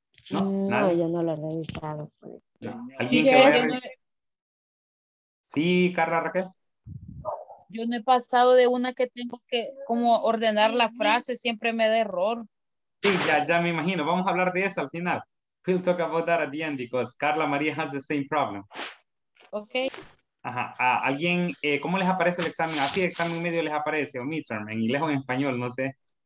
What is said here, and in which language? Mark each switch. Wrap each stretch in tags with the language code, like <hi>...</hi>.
<es>No, no, yo no lo he revisado. No. ¿Alguien se va a revisar? Sí, Carla, Raquel. Yo no he pasado de una que tengo que como ordenar la frase, siempre me da error. Sí, ya me imagino. Vamos a hablar de eso al final.</es> <en>We'll talk about that at the end because Carla María has the same problem. Ok.</en> <es>Ajá. ¿Alguien, cómo les aparece el examen? Así, examen medio les aparece, o midterm, en inglés o en español, no sé.</es>